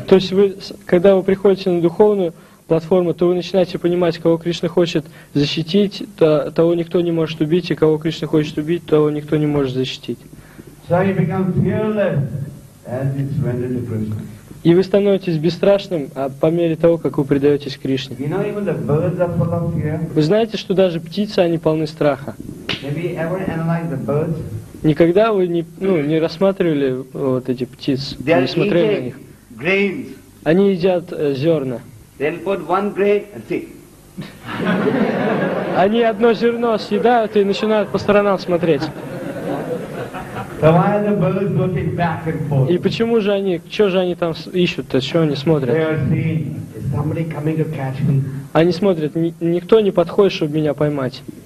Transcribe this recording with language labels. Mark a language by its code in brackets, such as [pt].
[ru] То есть вы, когда вы приходите на духовную платформу, то вы начинаете понимать, кого Кришна хочет защитить, то, того никто не может убить, и кого Кришна хочет убить, того никто не может защитить. [en] So you become fearless as you surrender to Krishna. [ru] И вы становитесь бесстрашным по мере того, как вы предаетесь Кришне. [en] You know, even the birds are full of fear. [ru] Вы знаете, что даже птицы, они полны страха? [en] Have you ever analyzed the birds? [ru] Никогда вы не рассматривали вот эти птиц, [en] they're [ru] не смотрели на них? [en] Grains. [ru] Они едят зерна. [en] They'll put one grain and see. [ru] Они одно зерно съедают и начинают по сторонам смотреть. [en] So why are the birds looking back and forth? [ru] И почему же они, что же они там ищут-то, что они смотрят? [en] They are seeing, is somebody coming to catch me? [ru] Они смотрят, никто не подходит, чтобы меня поймать.